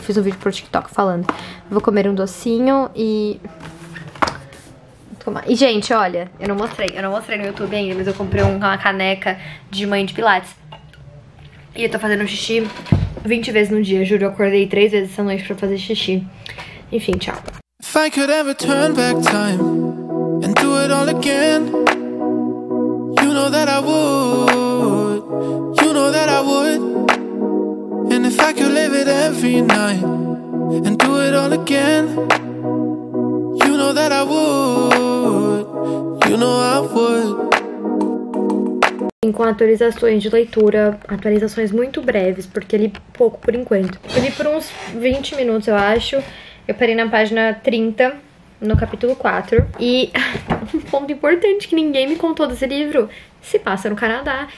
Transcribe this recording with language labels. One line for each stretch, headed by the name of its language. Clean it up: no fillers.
Portuguese: Fiz um vídeo pro TikTok falando. Vou comer um docinho e... Toma. E, gente, olha, eu não mostrei no YouTube ainda, mas eu comprei uma caneca de mãe de pilates. E eu tô fazendo xixi 20 vezes no dia, juro, eu acordei 3 vezes essa noite pra fazer xixi. Enfim, tchau.
English: If I could ever turn back time and do it all again, you know that I would, you know that I would. And if I could live it every night and do it all again, you know that I would, you know I would.
Portuguese: Com atualizações de leitura, atualizações muito breves, porque li pouco por enquanto. Eu li por uns 20 minutos, eu acho. Eu parei na página 30, no capítulo 4. E um ponto importante que ninguém me contou desse livro, se passa no Canadá.